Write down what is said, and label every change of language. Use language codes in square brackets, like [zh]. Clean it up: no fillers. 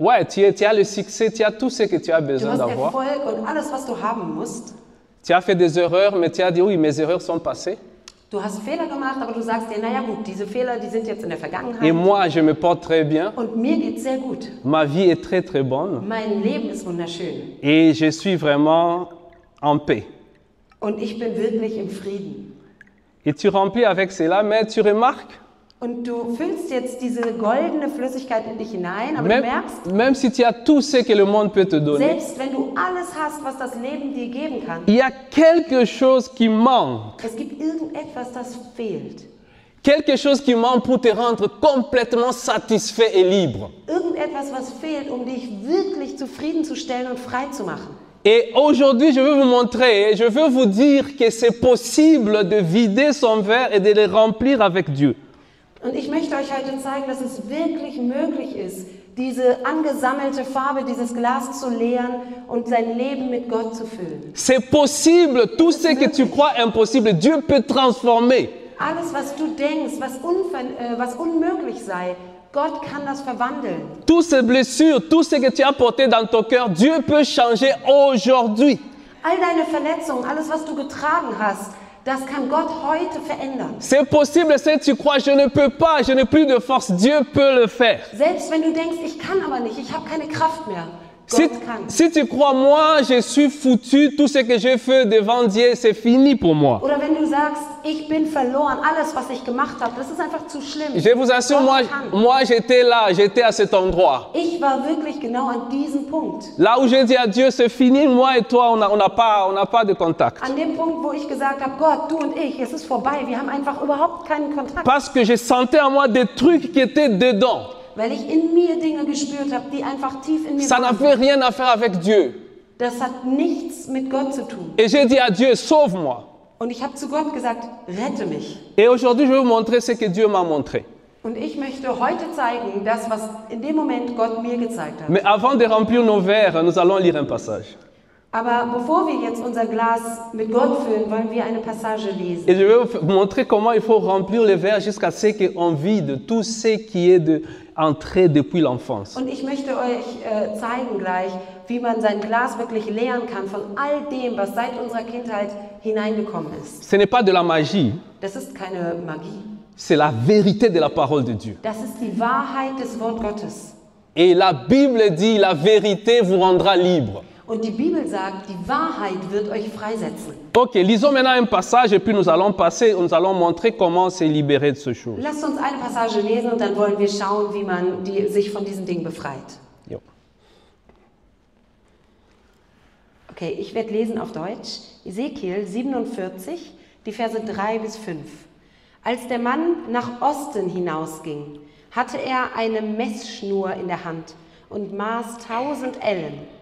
[fr] Tu as le succès, tu as tout ce que tu as besoin d'avoir. [de] Du hast Erfolg und alles, was du haben musst. [fr] Tu as fait des erreurs, mais tu as dit oui, mes erreurs sont passées. [de] Du hast Fehler gemacht, aber du sagst dir, naja gut, diese Fehler, die sind jetzt in der Vergangenheit. [fr] Et moi, je me porte très bien. [de] Und mir geht's sehr gut. [fr] Ma vie est très très bonne. [de] Mein Leben ist wunderschön. [fr] Et je suis vraiment en paix. [de] Und ich bin wirklich im Frieden. [fr] Et tu remplis avec cela, mais tu remarques? [de] Und du füllst jetzt diese goldene Flüssigkeit in dich hinein, aber [fr] même, [de] du merkst, [fr] même si tu as tout ce que le monde peut te donner, [de] selbst wenn du alles hast, was das Leben dir geben kann, [fr] il y a quelque chose qui manque. [de] Es gibt irgendetwas, das fehlt. [fr] Quelque chose qui manque pour te rendre complètement satisfait et libre. [de] Irgendetwas, was fehlt, um dich wirklich zufriedenzustellen und frei zu machen. [fr] Et aujourd'hui, je veux vous montrer, je veux vous dire que c'est possible de vider son verre et de le remplir avec Dieu. [de] Und ich möchte euch heute zeigen, dass es wirklich möglich ist, diese angesammelte Farbe, dieses Glas zu leeren und sein Leben mit Gott zu füllen. [fr] C'est possible, tout ce que tu crois impossible, Dieu peut transformer. [de] Alles, was du denkst, was unmöglich sei, Gott kann das verwandeln. [fr] Toutes ces blessures, tout ce que tu as porté dans ton cœur, Dieu peut changer aujourd'hui. [de] All deine Verletzungen, alles, was du getragen hast, das kann Gott heute verändern. [fr] C'est possible, si tu crois, je ne peux pas, je n'ai plus de force, Dieu peut le faire. [de] Selbst wenn du denkst, ich kann aber nicht, ich habe keine Kraft mehr, Gott kann. [fr] Si tu crois, moi, je suis foutu, tout ce que j'ai fait devant Dieu, c'est fini pour moi. [de] Oder wenn du sagst, ich bin verloren, alles, was ich gemacht habe, das ist einfach zu schlimm. [fr] Je vous assure, moi, j'étais là, j'étais à cet endroit. [de] Ich war wirklich genau an diesem Punkt. [fr] Là où j'ai dit à Dieu, c'est fini, moi et toi, on n'a pas de contact. [de] An dem Punkt, wo ich gesagt habe, Gott, du und ich, es ist vorbei, wir haben einfach überhaupt keinen Kontakt. [fr] Parce que je sentais en moi des trucs qui étaient dedans. [de] Weil ich in mir Dinge gespürt habe, die einfach tief in mir [fr] Ça n'avait rien à faire avec Dieu. [de] Das hat nichts mit Gott zu tun. [fr] Et j'ai dit à Dieu, sauve-moi. [de] Und ich habe zu Gott gesagt, rette mich. [fr] Et aujourd'hui, je vais vous montrer ce que Dieu m'a montré. [de] Und ich möchte heute zeigen, das, was in dem Moment Gott mir gezeigt hat. [fr] Mais avant de remplir nos verres, nous allons lire un passage. [de] Aber bevor wir jetzt unser Glas mit Gott füllen, wollen wir eine Passage lesen. [fr] Et je vais vous montrer comment il faut remplir les verres jusqu'à ce qu'on vide tout ce qui est de entré depuis l'enfance. [de] Und ich möchte euch zeigen gleich, wie man sein Glas wirklich leeren kann von all dem, was seit unserer Kindheit hineingekommen ist. [fr] Ce n'est pas de la magie. [de] Das ist keine Magie. [fr] C'est la vérité de la parole de Dieu. [de] Das ist die Wahrheit des Wort Gottes. [fr] Et la Bible dit, la vérité vous rendra libre. [de] Und die Bibel sagt, die Wahrheit wird euch freisetzen. [fr] Okay, lisons maintenant un passage et puis nous allons passer, nous allons montrer comment se libérer de ces choses. [de] Lasst uns eine Passage lesen und dann wollen wir schauen, wie man sich von diesen Dingen befreit. Jo. Okay, ich werde lesen auf Deutsch. Ezekiel 47, die Verse 3 bis 5. Als der Mann nach Osten hinausging, hatte er eine Messschnur in der Hand und maß 1000 Ellen.